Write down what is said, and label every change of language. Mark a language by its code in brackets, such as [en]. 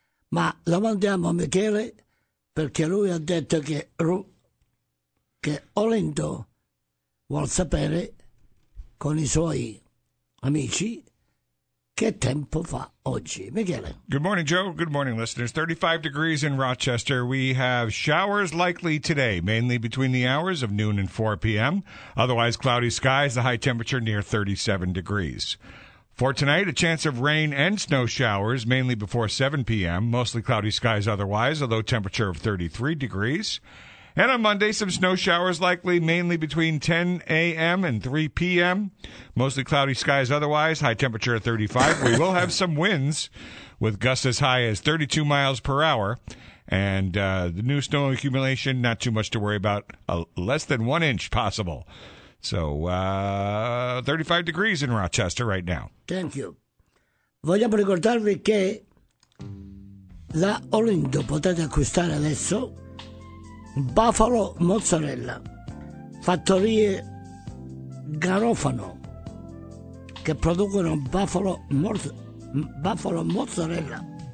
[it] Ma la mandiamo a Michele, perché lui ha detto che Olinto vuol sapere con i suoi amici che tempo fa oggi, Michele. [en] Good morning, Joe. Good morning, listeners. 35 degrees in Rochester. We have showers likely today, mainly between the hours of noon and 4 p.m. Otherwise, cloudy skies, the high temperature near 37 degrees. For tonight, a chance of rain and snow showers, mainly before 7 p.m., mostly cloudy skies otherwise, a low temperature of 33 degrees. And on Monday, some snow showers likely, mainly between 10 a.m. and 3 p.m. Mostly cloudy skies otherwise, high temperature of 35. We will have some winds with gusts as high as 32 miles per hour. And the new snow accumulation, not too much to worry about, less than 1 inch possible. So 35 degrees in Rochester right now. Thank you. [it] Vogliamo ricordarvi che la Olindo potete acquistare adesso. Buffalo mozzarella, fattorie Garofano, che producono bufalo mozzarella.